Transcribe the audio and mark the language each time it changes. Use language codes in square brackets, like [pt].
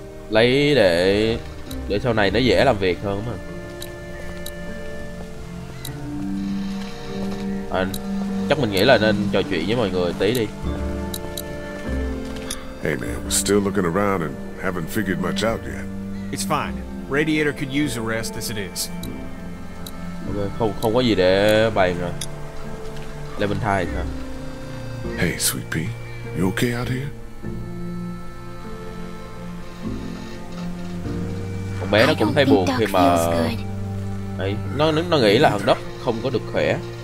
[vi] Lấy để sau này nó dễ làm việc hơn mà. À, chắc mình nghĩ là nên trò chuyện với mọi người tí đi. [en] Hey man, we're still looking around and haven't figured much out yet. It's fine. Radiator could use a rest as it is. [vi] Okay, không có gì để bày nữa. Leventhine hả? [en] Hey, sweet pea. You okay out here? [vi] Con bé nó cũng thấy buồn khi mà ấy, nó nghĩ là thằng đất không có được khỏe.